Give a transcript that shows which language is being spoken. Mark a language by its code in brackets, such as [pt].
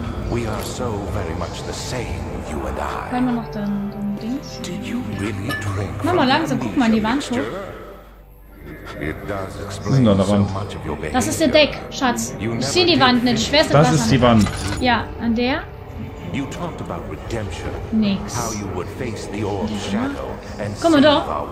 [en] We are so very much the same, you and I. [de] Können wir noch dann Dings? [en] Really [de] mach mal langsam, guck mal in die Wand schon. Was ist denn da der Wand? Das ist der Deck, Schatz. Ich sehe die Wand nicht, schwer ist das. Das ist die Wand. Ja, an der? [en] You talked about redemption. [de] Nix. [en] How you would face the old shadow and save our